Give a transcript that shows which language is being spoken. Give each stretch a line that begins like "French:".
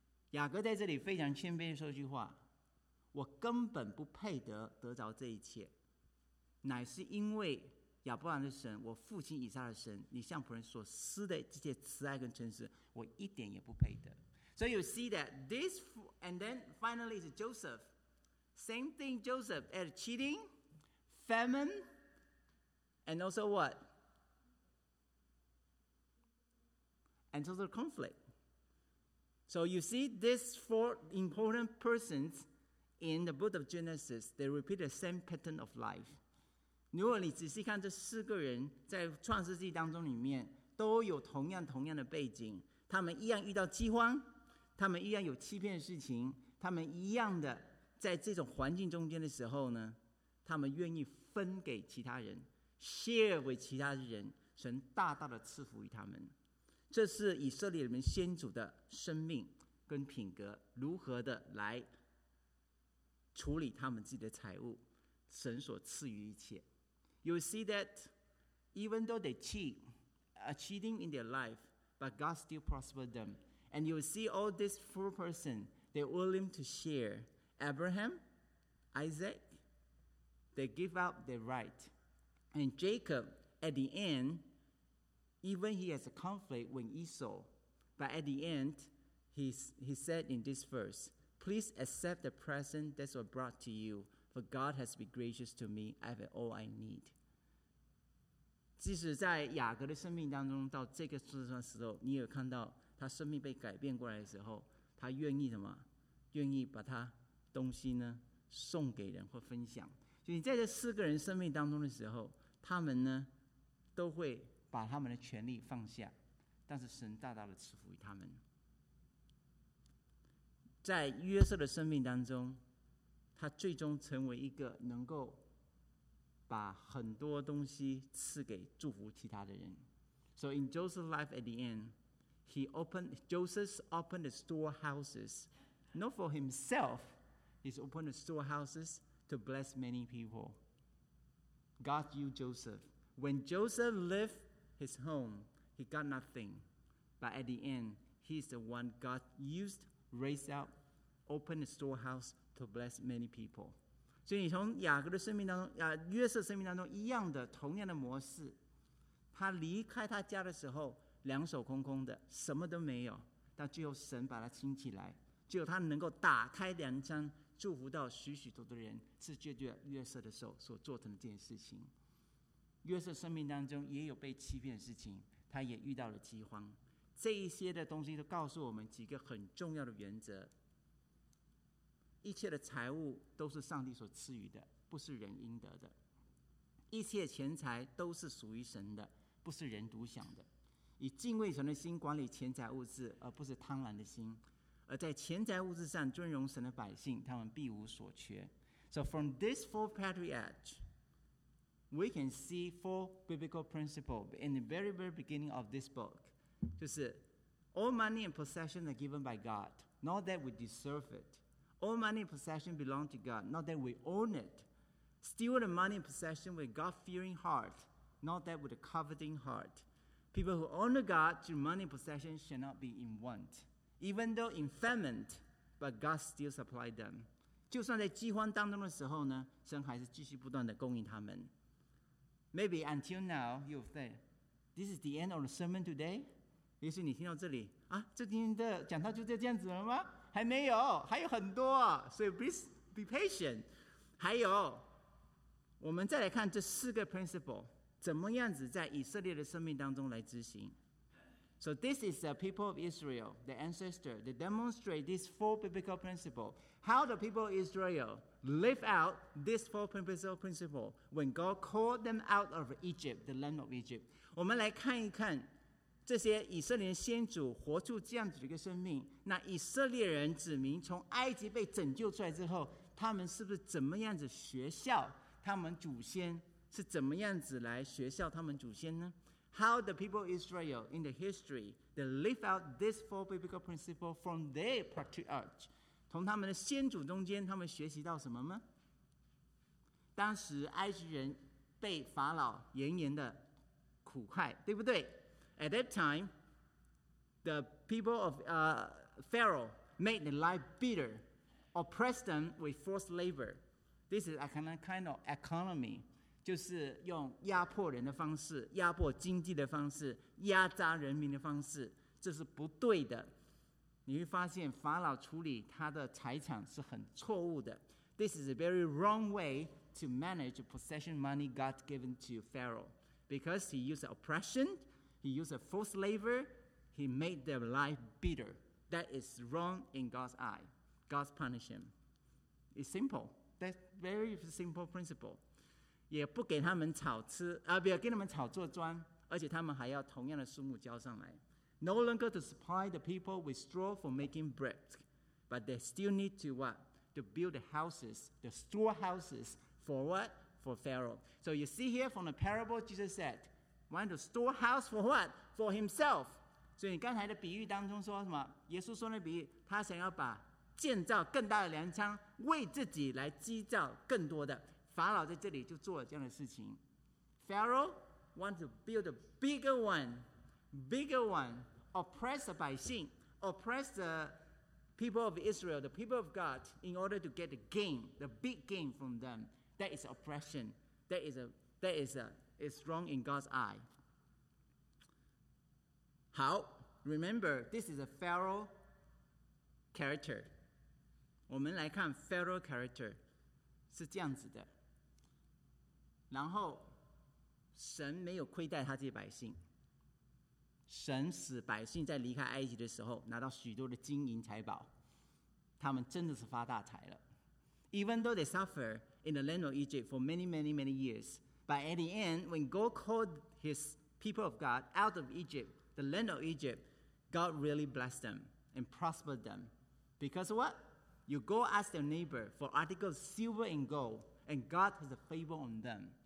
Chinese: 雅各在这里非常谦卑地说一句话，我根本不配得着这一切，乃是因为亚伯拉罕的神，我父亲以撒的神，你向仆人所施的这些慈爱跟诚实，我一点也不配得。
English: So you see that this, and then finally is Joseph. Same thing, Joseph had cheating, famine, and also what? And also conflict. So you see these four important persons in the book of Genesis, they repeat the same pattern of life.
Chinese: 如果你仔细看这四个人在创世纪当中里面都有同样同样的背景，他们一样遇到饥荒，他们一样有欺骗的事情，他们一样的在这种环境中间的时候呢，他们愿意分给其他人， share 为其他人，神大大的赐福于他们。这是以色列人先祖的生命跟品格如何的来处理他们自己的财物，神所赐予一切。
English: You see that even though they cheat, cheating in their life, but God still prospered them. And you see all these four persons, they're willing to share. Abraham, Isaac, they give up their right. And Jacob, at the end, even he has a conflict with Esau, but at the end, he said in this verse, please accept the present that was brought to you, for God has been gracious to me, I have all I need.
Chinese: 即使在雅各的生命当中，到这个时段时候，你有看到他生命被改变过来的时候，他愿意什么？愿意把他东西呢送给人或分享。所以在这四个人生命当中的时候，他们呢都会把他们的权利放下，但是神大大的赐福于他们。在约瑟的生命当中，他最终成为一个能够把很多东西赐给祝福其他的人。
English: So in Joseph's life at the end, Joseph opened the storehouses, not for himself, he's opened the storehouses to bless many people. God used Joseph. When Joseph left his home, he got nothing. But at the end, he's the one God used, raised up, opened the storehouse to bless many people.
Chinese: 所以你从雅各的生命当中，约瑟生命当中一样的同样的模式，他离开他家的时候两手空空的，什么都没有，但最后神把他请起来，最后他能够打开粮仓，祝福到许许多多人，是借着约瑟的手所做成的这件事情。约瑟生命当中也有被欺骗的事情，他也遇到了饥荒，这一些的东西都告诉我们几个很重要的原则。一切的财物都是上帝所赐予的，不是人应得的。一切钱财都是属于神的，不是人独享的。以敬畏神的心管理钱财物质，而不是贪婪的心。而在钱财物质上尊荣神的百姓，他们必无所缺。
English: So from this four patriarchs, we can see four biblical principles in the very, very beginning of this book.
Chinese: 就是
English: all money and possession are given by God, not that we deserve it. All money and possession belong to God, not that we own it. Steal the money and possession with a God-fearing heart, not that with a coveting heart. People who honor God through money and possession shall not be in want, even though in famine, but God still supplies them.
Chinese: 就算在饥荒当中的时候呢，神还是继续不断的供应他们。
English: Maybe until now, you'll say, this is the end of the sermon today?
Chinese: 也许你听到这里，啊，这今天的讲到就这样子了吗？还没有，还有很多，所以
English: be patient.
Chinese: 还有，我们再来看这四个 principle 怎么样子在以色列的生命当中来执行。
English: So this is the people of Israel, the ancestor. They demonstrate these four biblical principles. How the people of Israel live out these four biblical principles when God called them out of Egypt, the land of Egypt.
Chinese: 我们来看一看。这些以色列先祖活出这样子的一个生命，那以色列人子民从埃及被拯救出来之后，他们是不是怎么样子学校他们祖先，是怎么样子来学校他们祖先呢？
English: How the people of Israel in the history they live out these four biblical principles from their patriarch,
Chinese: 从他们的先祖中间他们学习到什么吗？当时埃及人被法老严严的苦害，对不对？
English: At that time, the people of Pharaoh made their life bitter, oppressed them with forced labor. This is a kind of economy.
Chinese: 就是用压迫人的方式，压迫经济的方式，压榨人民的方式，这是不对的。你会发现法老处理他的财产是很错误的。
English: This is a very wrong way to manage possession money God given to Pharaoh, because he used oppression, he used forced labor, he made their life bitter. That is wrong in God's eye. God punish him. It's simple. That's very simple principle.
Chinese: 也不给他们草吃，啊，不要给他们草做砖，而且他们还要同样的数目交上来。
English: No longer to supply the people with straw for making bread, but they still need to what? To build the houses, the storehouses for what? For Pharaoh. So you see here from the parable, Jesus said, want to store house for what? For himself.
Chinese: 所以你刚才的比喻当中说什么？耶稣说的比喻，他想要把建造更大的粮仓，为自己来积造更多的。法老在这里就做了这样的事情。
English: Pharaoh want to build a bigger one. Bigger one, oppress the 百姓, oppress the people of Israel, the people of God, in order to get the gain, the big gain from them. That is oppression. That is wrong in God's eye. How? Remember, this is a Pharaoh character.
Chinese: 我们来看
English: Pharaoh character
Chinese: 是这样子的。然后神没有亏待他这些百姓。神使百姓在离开埃及的时候拿到许多的金银财宝，他们真的是发大财了。
English: Even though they suffer in the land of Egypt for many many many years, but at the end when God called his people of God out of Egypt, the land of Egypt, God really blessed them and prospered them. Because what? You go ask their neighbor for articles of silver and gold, and God has a favor on them.